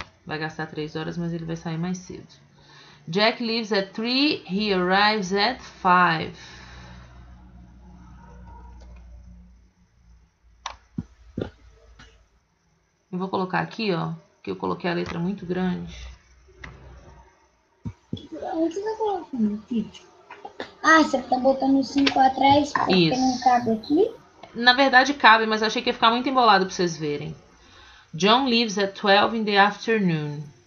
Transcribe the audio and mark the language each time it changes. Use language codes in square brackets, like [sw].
[pt] Vai gastar 3 horas, mas ele vai sair mais cedo. [en] Jack leaves at 3, he arrives at 5. [pt] Eu vou colocar aqui, ó, que eu coloquei a letra muito grande. Onde você vai colocar? Ah, você tá botando 5 atrás porque isso não cabe aqui? Na verdade cabe, mas achei que ia ficar muito embolado pra vocês verem. [en] John leaves at 12 in the afternoon.